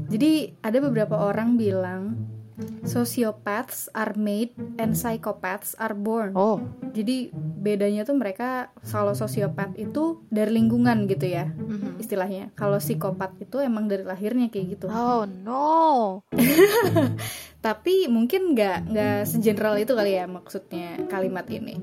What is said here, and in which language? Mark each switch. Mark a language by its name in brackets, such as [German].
[Indonesian] Jadi ada beberapa orang bilang [English] Sociopaths are made and psychopaths are born. Oh. [Indonesian] Jadi bedanya tuh mereka, kalau sociopath itu dari lingkungan gitu ya, mm-hmm. istilahnya. Kalau psikopat itu emang dari lahirnya kayak gitu. [English] Oh no. [Indonesian] Tapi mungkin nggak segeneral itu kali ya maksudnya kalimat ini.